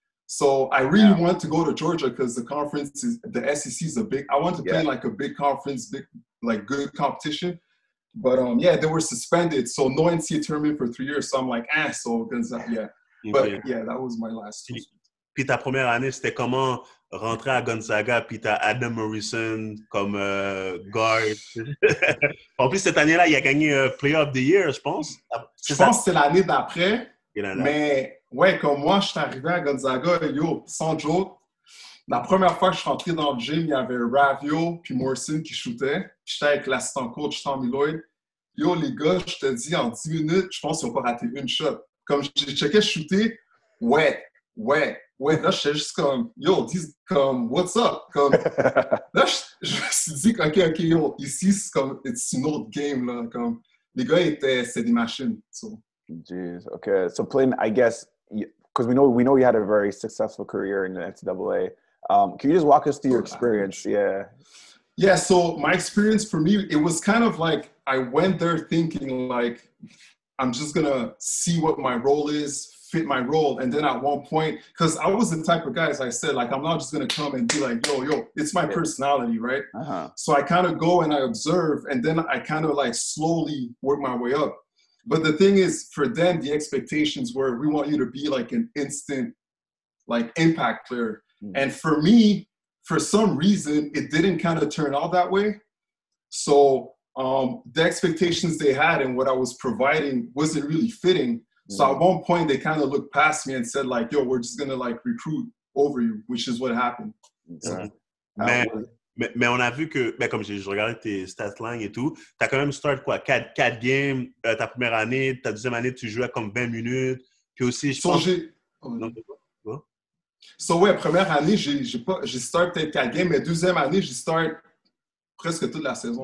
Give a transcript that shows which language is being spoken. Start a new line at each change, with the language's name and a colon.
English: So I really want to go to Georgia because the conference is, the SEC is a big, I want to play like a big conference, big, like good competition. But they were suspended. So no NCAA tournament for 3 years. So I'm like, so Gonzaga, But that was my last two.
French: Puis ta première année, c'était comment rentrer à Gonzaga, puis t'as Adam Morrison comme guard. En plus, cette année-là, il a gagné Player of the Year, je pense. Je pense que c'est l'année d'après, mais... Ouais, comme moi, je suis arrivé à Gonzaga, yo, sans joke. La première fois que je suis rentré dans le gym, il y avait Ravio puis Morrison qui shootaient. J'étais avec l'assistant coach Tommy Lloyd. Yo, les gars, je te dis, en 10 minutes, je pense qu'ils n'ont pas raté une shot. Comme j'ai checké shooter, ouais, ouais, Ouais, là, j'étais juste comme, yo, dis comme,
English: what's up?
French: Comme, là, je me suis dit, ok, yo, ici, c'est comme,
English: it's an old game,
French: là. Comme, les gars étaient, c'est des machines, so.
English: Jeez, okay. So, Plin, I guess, because we know you had a very successful career in the NCAA. Can you just walk us through your experience? Yeah. Yeah, so my experience for me, it was kind of like, I went there thinking, like, I'm just going to see what my role is, fit my role. And then at one point, because I was the type of guy, as I said, like, I'm not just going to come and be like, yo, it's my personality, right? Uh-huh. So I kind of go and I observe, and then I kind of like slowly work my way up. But the thing is, for them, the expectations were, we want you to be like an instant, like, impact player. Mm-hmm. And for me, for some reason, it didn't kind of turn out that way. So the expectations they had and what I was providing wasn't really fitting. So at one point, they kind of looked past me and said, like, yo, we're just going to, like, recruit over you, which is what happened.
French: Mais on a vu que, mais comme je regardais tes stats line et tout, t'as quand même start, quoi, 4 games ta première année, ta deuxième année, tu jouais comme 20 minutes. Puis aussi, je pense... So, ouais, première année, j'ai start peut-être 4 games, mais deuxième année, j'ai start presque toute la saison.